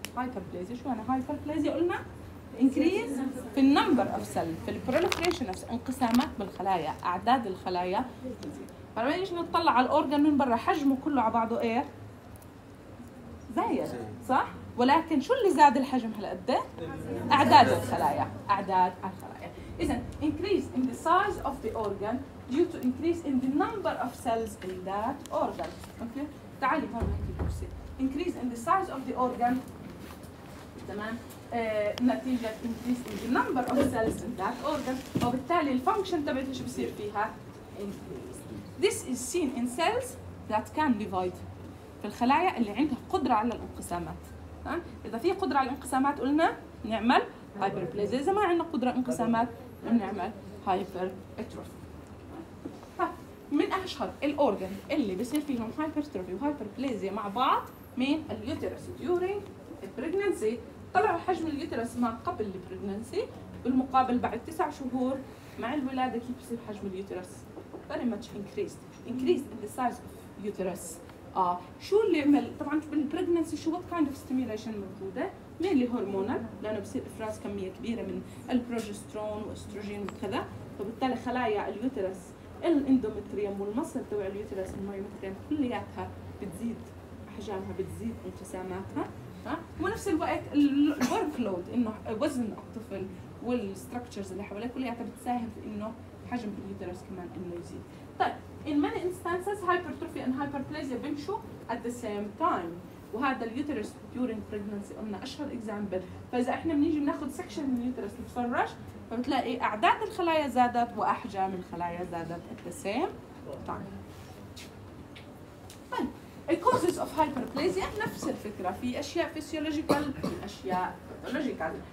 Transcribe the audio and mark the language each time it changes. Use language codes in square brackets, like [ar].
[ar] هايبربليزيا شو أنا؟ هايبربليزيا قلنا increase في [en] number of cells [ar] في [en] proliferation of [ar] انقسامات بالخلايا أعداد الخلايا. فلما نيجي نطلع على الأورجان من برا حجمه كله على بعضه إيه؟ زايد صح؟ ولكن شو اللي زاد الحجم هلا قد إيه؟ أعداد الخلايا. أعداد الخلايا إذا [en] increase in the size of the organ due to increase in the number of cells in that organ. [ar] Okay. تعالي فهم هيك الكرسي. [en] Increase in the size of the organ. [ar] تمام. نتيجة [en] increase in the number of cells in that organ. [ar] وبالتالي الفانكشن تبعتها شو بصير فيها؟ Increase. [en] This is seen in cells that can divide. [ar] في الخلايا اللي عندها قدرة على الانقسامات. إذا في قدرة على الانقسامات قلنا نعمل هايبر بليزيا. إذا ما عندنا قدرة انقسامات بنعمل هايبر اتروفي. من أشهر الأورجان اللي بصير فيهم هايبر اتروفي وهايبر بليزيا مع بعض مين؟ اليوترس ديورين البريجنانسي. طلعوا حجم اليوترس ما قبل البريجنانسي بالمقابل بعد 9 شهور مع الولادة كيف بصير حجم اليوترس؟ [en] very much increased in the size of uterus. [ar] شو اللي يعمل طبعا بالبريجنانسي؟ شو [en] what kind of stimulation [ar] موجودة؟ مين اللي هرمونال؟ لأنه بصير إفراز كمية كبيرة من البروجسترون وأستروجين وكذا، فبالتالي خلايا اليوترس الاندومتريوم والمصل تبع اليوترس الميومتريوم كلياتها بتزيد أحجامها بتزيد انقساماتها. ونفس الوقت الورك لود إنه وزن الطفل والستركتشرز اللي حواليه كلياتها بتساهم في إنه حجم اليوترس كمان إنه يزيد. طيب [en] in many instances hypertrophy and hyperplasia [ar] بمشوا [en] at the same time، [ar] وهذا اليوترس [en] during pregnancy [ar] قلنا أشهر [en] example. [ar] فإذا إحنا بنيجي بناخد section من اليوترس نتفرج، فبتلاقي أعداد الخلايا زادت وأحجام الخلايا زادت [en] at the same time. Causes of hyperplasia [ar] نفس الفكرة، في أشياء physiological في أشياء pathological.